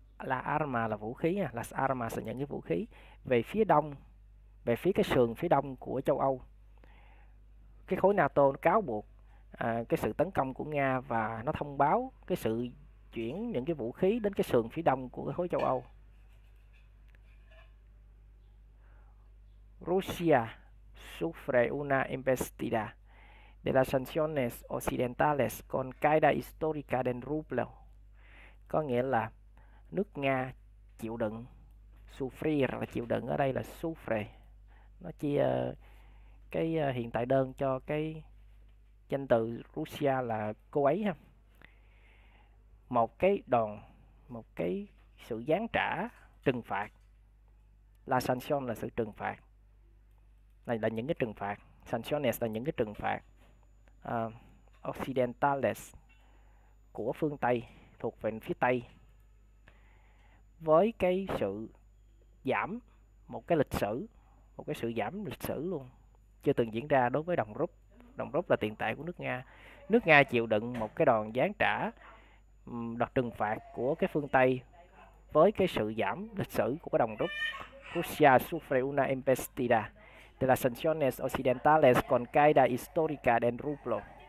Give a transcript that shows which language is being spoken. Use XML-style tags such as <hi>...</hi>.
<vi>La arma là vũ khí nha. Las armas là những cái vũ khí về phía đông, về phía cái sườn phía đông của châu Âu. Cái khối NATO nó cáo buộc cái sự tấn công của Nga và nó thông báo cái sự chuyển những cái vũ khí đến cái sườn phía đông của cái khối châu Âu.</vi> <es>Russia sufre una embestida de las sanciones occidentales con caída histórica del rublo.</es> <vi>Có nghĩa là nước Nga chịu đựng, sufrir là chịu đựng, ở đây là sufre. Nó chia cái hiện tại đơn cho cái danh từ Russia là cô ấy ha. Một cái đòn, một cái sự giáng trả, trừng phạt. La sanción là sự trừng phạt. Này là những cái trừng phạt. Sanciones là những cái trừng phạt. Occidentales của phương Tây, thuộc về phía Tây. Với cái sự giảm, một cái lịch sử, một cái sự giảm lịch sử luôn, chưa từng diễn ra đối với đồng rúp. Đồng rúp là tiền tệ của nước Nga. Nước Nga chịu đựng một cái đòn giáng trả, đợt trừng phạt của cái phương Tây với cái sự giảm lịch sử của cái đồng rúp.</vi> <es>Russia sufre una embestida de las sanciones occidentales con caída histórica del rublo.</es>